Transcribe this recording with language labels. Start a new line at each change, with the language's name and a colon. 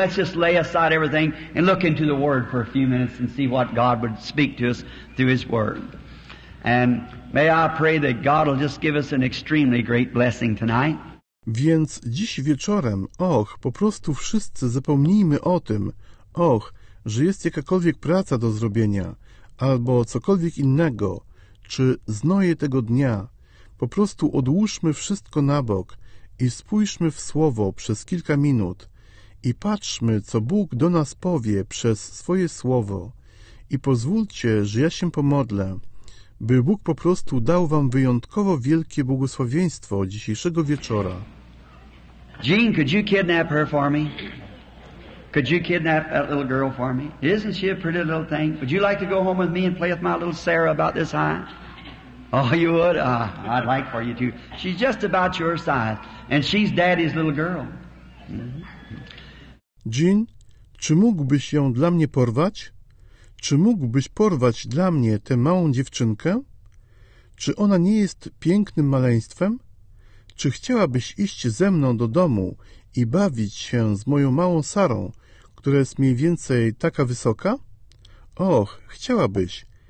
English: Let's just lay aside everything and look into the Word for a few minutes and see what God would speak to us through His Word. And may I pray that God will just give us an extremely great blessing tonight.
Polish: Więc dziś wieczorem, po prostu wszyscy zapomnijmy o tym, że jest jakakolwiek praca do zrobienia, albo cokolwiek innego, czy znoje tego dnia. Po prostu odłóżmy wszystko na bok i spójrzmy w Słowo przez kilka minut i patrzmy, co Bóg do nas powie przez swoje Słowo. I pozwólcie, że ja się pomodlę, by Bóg po prostu dał wam wyjątkowo wielkie błogosławieństwo dzisiejszego wieczora.
English: Jean, could you kidnap her for me? Could you kidnap that little girl for me? Isn't she a pretty little thing? Would you like to go home with me and play with my little Sarah about this high? Oh, you would? I'd like for you to. She's just about your size, and she's daddy's little girl.
Polish: Jean, czy mógłbyś ją dla mnie porwać? Czy mógłbyś porwać dla mnie tę małą dziewczynkę? Czy ona nie jest pięknym maleństwem? Czy chciałabyś iść ze mną do domu i bawić się z moją małą Sarą, która jest mniej więcej taka wysoka? Chciałabyś.